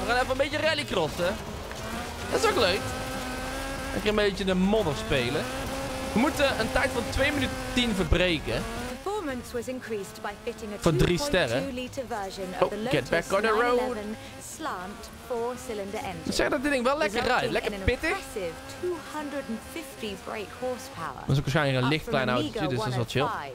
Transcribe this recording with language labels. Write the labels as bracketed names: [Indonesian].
[Dutch] We gaan even een beetje rallycrossen. Dat is ook leuk. Lekker een beetje de modder spelen. We moeten een tijd van 2 minuten 10 verbreken. [English] Performance was increased by fitting a 2.2 liter version of the Lotus 911 slant 4-cylinder engine. [Dutch] Zeg dat dit ding wel lekker rijdt. Lekker pittig. Dat is ook waarschijnlijk een licht klein autootje, dus dat is wel chill.